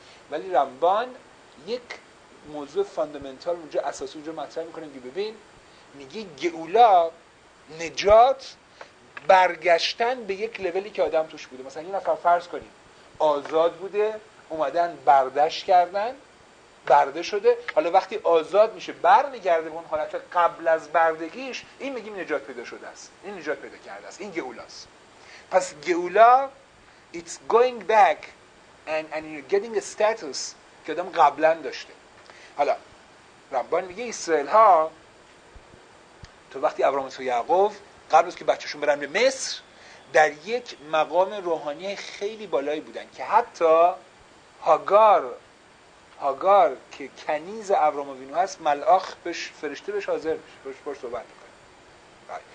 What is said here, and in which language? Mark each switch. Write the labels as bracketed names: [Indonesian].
[Persian] ولی رمبان یک موضوع فاندامنتال اونجا اساسی اونجا مطرح میکنه که ببین، میگه گئوله نجات برگشتن به یک لولی که آدم توش بوده. مثلا یه نفر فرض کنیم آزاد بوده، اومدن بردش کردن، برده شده، حالا وقتی آزاد میشه برمیگرده به اون حالت قبل از بردگیش، این میگیم نجات پیدا شده است، این نجات پیدا کرده است، این گئوله است. پس گئوله [English] it's going back and you're getting a status [Persian] که آدم قبلا داشته. حالا رمبان میگه اسرائیل ها تو وقتی ابراهیم و یعقوب قبل از که بچه‌شون برن به مصر در یک مقام روحانی خیلی بالایی بودن که حتی هاگار که کنیز ابراهیم اوینو هست، ملاخ بهش فرشته بهش حاضر میشه، بهش پشت صحبت میکنه.